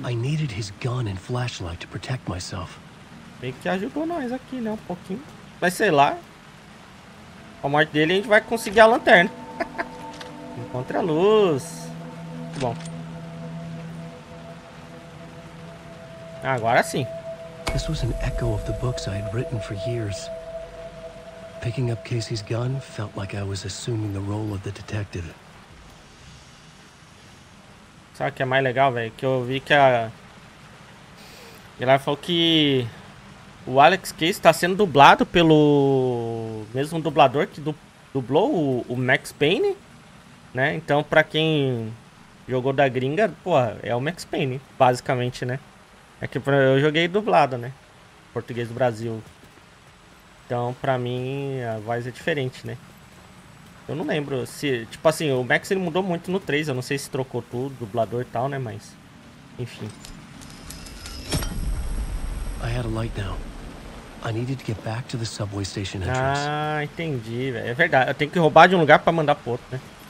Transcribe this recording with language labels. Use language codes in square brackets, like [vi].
[en] I needed his gun and flashlight to protect myself. [pt] Meio que ajudou nós aqui, né? Um pouquinho. Mas sei lá. Com a morte dele a gente vai conseguir a lanterna. Encontre a luz. Muito bom. Agora sim. [en] This was an echo of the books I had written for years. Picking up Casey's gun felt like I was assuming the role of the detective. [pt] Sabe o que é mais legal, velho? Que eu vi que a ela falou que o Alex Case está sendo dublado pelo mesmo dublador que dublou o Max Payne. Né? Então, pra quem jogou da gringa, porra, é o Max Payne, basicamente, né? É que eu joguei dublado, né? Português do Brasil. Então, pra mim, a voz é diferente, né? Eu não lembro se... Tipo assim, o Max ele mudou muito no 3, eu não sei se trocou tudo, dublador e tal, né? Mas, enfim. Eu tinha uma luz agora. [en] I needed to get back to the subway station entrance. [pt] Ah, entendi, velho. É verdade, eu tenho que roubar de um lugar pra mandar pro outro, né?